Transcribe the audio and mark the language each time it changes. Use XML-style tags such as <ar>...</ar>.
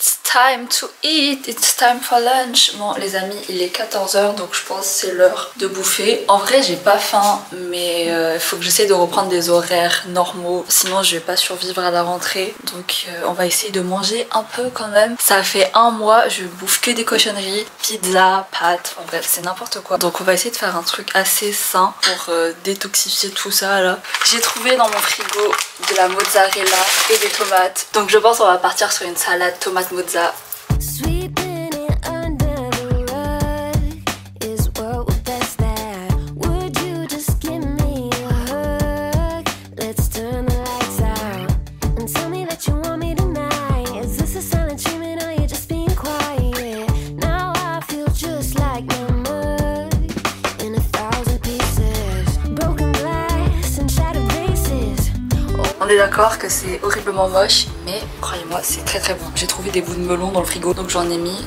<en>Time to eat, it's time for lunch.</en> <fr>Bon les amis, il est 14h donc je pense que c'est l'heure de bouffer. En vrai j'ai pas faim mais faut que j'essaie de reprendre des horaires normaux. Sinon je vais pas survivre à la rentrée. Donc on va essayer de manger un peu quand même. Ça fait un mois, je bouffe que des cochonneries. Pizza, pâtes, en bref c'est n'importe quoi. Donc on va essayer de faire un truc assez sain pour détoxifier tout ça là. J'ai trouvé dans mon frigo de la mozzarella et des tomates. Donc je pense qu'on va partir sur une salade tomate mozzarella.</fr> <en>Sweeping it under the rug is what we're best at. Would you just give me a hug? Let's turn the lights out and tell me that you want me tonight. Is this a silent dreaming or you just being quiet? Now I feel just like my mug in a thousand pieces. Broken glass and shattered faces.</en> <fr>On est d'accord que c'est horriblement moche. Mais croyez-moi, c'est très très bon. J'ai trouvé des bouts de melon dans le frigo, donc j'en ai mis.</fr>